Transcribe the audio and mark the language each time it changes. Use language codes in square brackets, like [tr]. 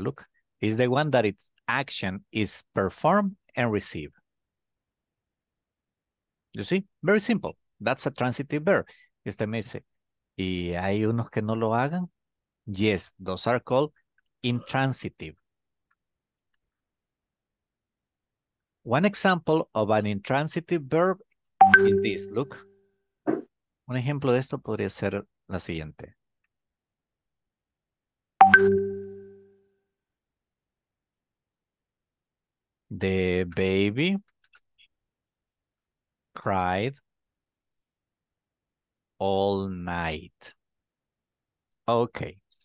[en] Look, it's the one that its action is performed and received. You see? Very simple. That's a transitive verb. [es] Y usted me dice, ¿y hay unos que no lo hagan? [en] Yes, those are called intransitive. One example of an intransitive verb is this. Look. [es] Un ejemplo de esto podría ser la siguiente. [en] The baby cried all night. Okay.